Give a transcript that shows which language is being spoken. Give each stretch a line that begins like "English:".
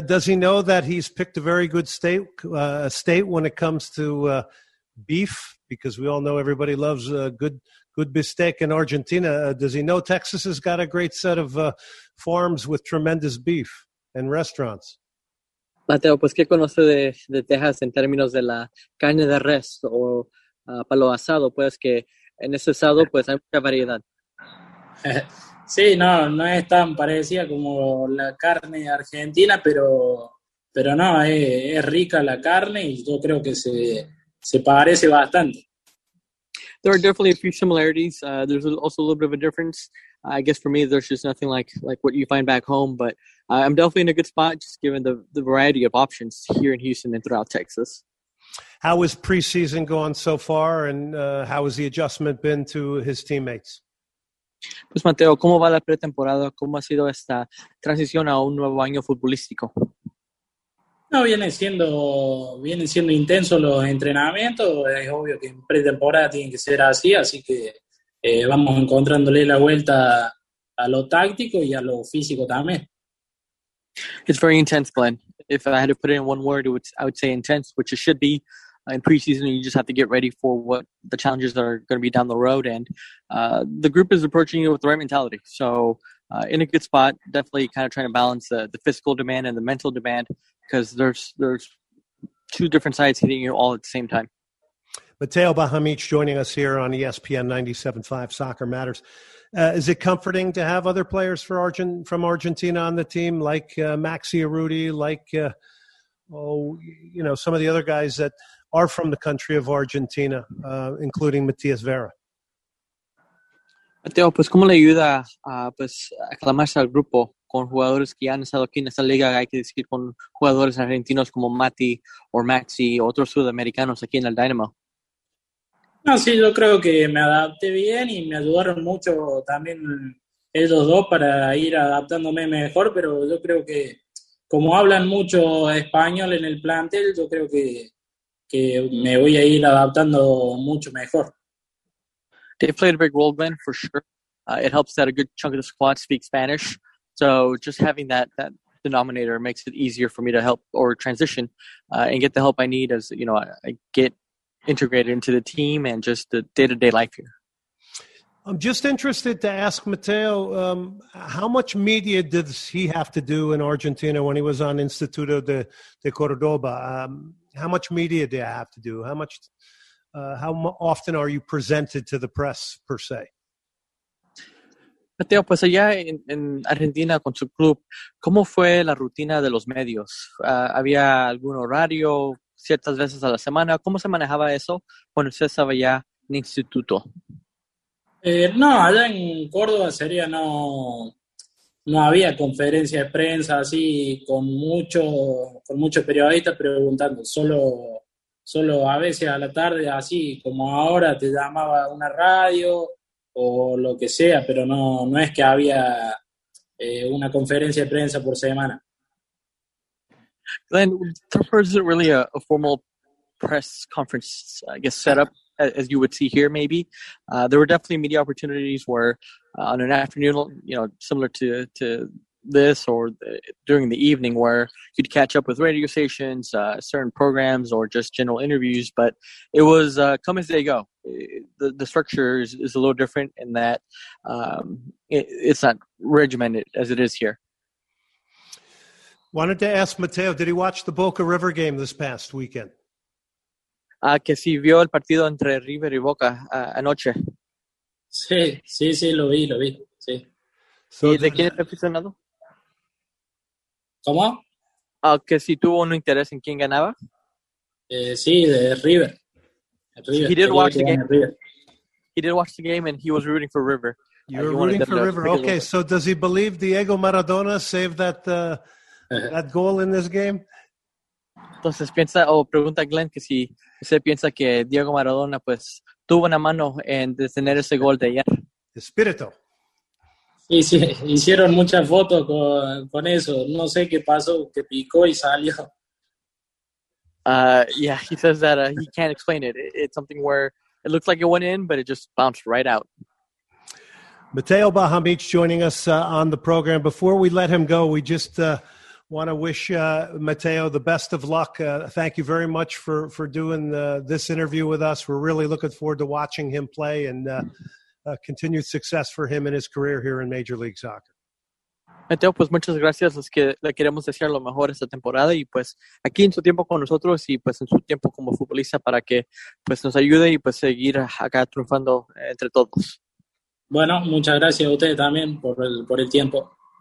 English: Does he know that he's picked a very good state when it comes to beef? Because we all know everybody loves a good bistec in Argentina. Does he know Texas has got a great set of farms with tremendous beef and restaurants?
Spanish: Mateo, pues, ¿qué conoce de Texas en términos de la carne de res o palo asado? Pues que en ese asado pues hay mucha variedad. Sí, no es tan parecida como la carne argentina, pero no, es rica la carne y yo creo que se parece bastante.
English: There are definitely a few similarities. There's also a little bit of a difference. I guess for me, there's just nothing like what you find back home. But I'm definitely in a good spot, just given the variety of options here in Houston and throughout Texas. How has preseason gone so far, and how has the adjustment been to his teammates?
Spanish: Pues Mateo, ¿cómo va la pretemporada? ¿Cómo ha sido esta transición a un nuevo año futbolístico? No, viene siendo intenso los entrenamientos. Es obvio que en pretemporada tiene que ser así que vamos encontrándole la vuelta a lo táctico y a lo físico también.
English: It's very intense, Glenn. If I had to put it in one word, I would say intense, which it should be. In preseason, you just have to get ready for what the challenges that are going to be down the road. And the group is approaching you with the right mentality. So in a good spot, definitely kind of trying to balance the physical demand and the mental demand, because there's two different sides hitting you all at the same time. Mateo Bahamic joining us here on ESPN 97.5 Soccer Matters. Is it comforting to have other players from Argentina on the team, like Maxi Arruti, like some of the other guys that are from the country of Argentina, including Matias Vera?
Spanish: Mateo, pues, ¿cómo le ayuda pues aclamarse al grupo con jugadores que han estado aquí en esta liga? Hay que decir, con jugadores argentinos como Mati o Maxi, otros sudamericanos aquí en el Dynamo. No, sí, yo creo que me adapté bien y me ayudaron mucho también ellos dos para ir adaptándome mejor, pero yo creo que como hablan mucho español en el plantel, yo creo que me voy a ir adaptando mucho mejor.
English: They played a big role, Glenn, for sure. It helps that a good chunk of the squad speaks Spanish. So just having that denominator makes it easier for me to help or transition and get the help I need as, you know, I get integrated into the team and just the day-to-day life here. I'm just interested to ask Mateo, how much media did he have to do in Argentina when he was on Instituto de Cordoba? How much media do I have to do? How often are you presented to the press, per se?
Spanish: Mateo, pues allá en Argentina con su club, ¿cómo fue la rutina de los medios? ¿Había algún horario ciertas veces a la semana? ¿Cómo se manejaba eso cuando usted estaba allá en instituto? No, allá en Córdoba sería no había conferencia de prensa así con mucho periodistas preguntando, solo a veces a la tarde, así como ahora te llamaba una radio o lo que sea, pero no es que había una conferencia de prensa por semana.
English: Glenn, there isn't really a formal press conference, I guess, set up as you would see here, maybe. There were definitely media opportunities where on an afternoon, you know, similar to this or during the evening where you'd catch up with radio stations, certain programs, or just general interviews. But it was come as they go. The structure is a little different in that it's not regimented as it is here. Wanted to ask Mateo, did he watch the Boca River game this past weekend?
Spanish: Que si vio el partido entre River y Boca anoche. Sí, lo vi. So ¿y de quién es aficionado? ¿Cómo? Que si tuvo un interés en quién ganaba. Sí, de River.
English: So he did watch the game. He did watch the game and he was rooting for River. You were rooting for River. Okay, so does he believe Diego Maradona saved that that goal in this game?
Spanish: Entonces piensa o pregunta Glenn que si se piensa que Diego Maradona pues tuvo una mano en detener ese gol de ayer. Espíritu. Sí, sí, hicieron muchas fotos con eso. No sé qué pasó, que picó y salió.
English: Yeah, he says that he can't explain it. It's something where it looks like it went in, but it just bounced right out. Mateo Bahamic joining us on the program. Before we let him go, we just want to wish Mateo the best of luck. Thank you very much for doing this interview with us. We're really looking forward to watching him play and continued success for him in his career here in Major League Soccer.
Spanish: Mateo, pues muchas gracias. Es que le queremos desear lo mejor esta temporada y pues aquí en su tiempo con nosotros y pues en su tiempo como futbolista para que pues nos ayude y pues seguir acá triunfando entre todos. Bueno, muchas gracias a ustedes también por el tiempo.